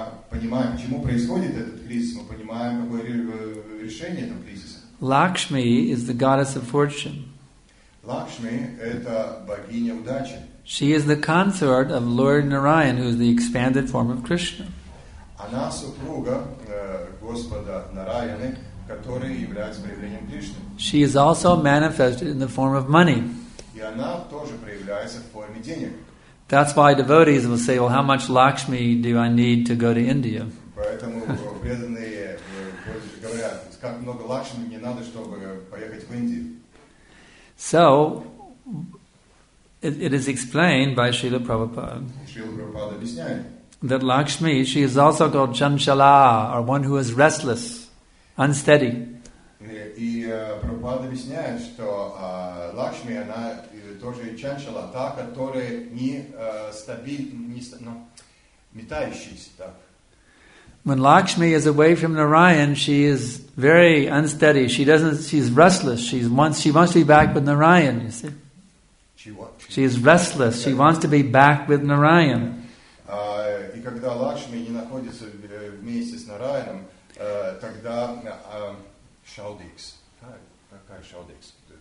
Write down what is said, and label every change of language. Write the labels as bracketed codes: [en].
[ru] Понимаем, чему происходит этот кризис. Мы понимаем, какое решение этого кризиса. [en] Lakshmi is the goddess of fortune. [ru] Lakshmi это богиня удачи. [en] She is the consort of Lord Narayan, who is the expanded form of Krishna. [ru] Она супруга Господа Нараяны, который является проявлением Кришны. [en] She is also manifested in the form of money. [ru] И она тоже проявляется в форме денег. [en] That's why devotees will say, "Well, how much Lakshmi do I need to go to India?" [ru] Поэтому преданные говорят, как много Лакшми мне надо, чтобы поехать в Индию. [en] So it is explained by Srila Prabhupada. [ru] Srila Prabhupada объясняет. [en] That Lakshmi, she is also called Chanchala, or one who is restless, unsteady. [ru] И Прабхупада объясняет, что Лакшми она тоже чанчала, та, которая не стабильна, метающаяся так. [en] When Lakshmi is away from Narayan, she is very unsteady. She's restless. She wants to be back with Narayan, you see. She is restless. She wants to be back with Narayan. [ru] И когда Лакшми не находится вместе с Нараяном, тогда Шаудикс. Какая Шаудикс?